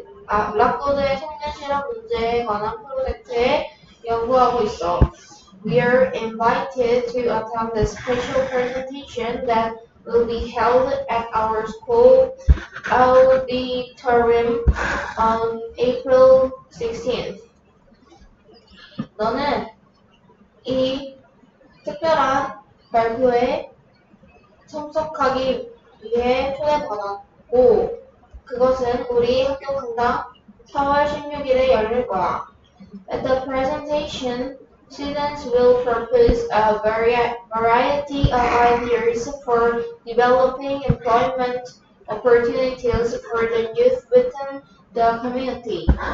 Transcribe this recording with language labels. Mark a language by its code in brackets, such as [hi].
[ko] 락고드의 청년 실업 문제에 관한 프로젝트에 연구하고 있어. [en] We are invited to attend the special presentation that will be held at our school auditorium on April 16th. [ko] 너는 이 특별한 발표에 참석하기 위해 초대받았고 그것은 우리 학교 강당 4월 16일에 열릴 거야. [en] At the presentation, students will propose a variety of ideas for developing employment opportunities for the youth within the community.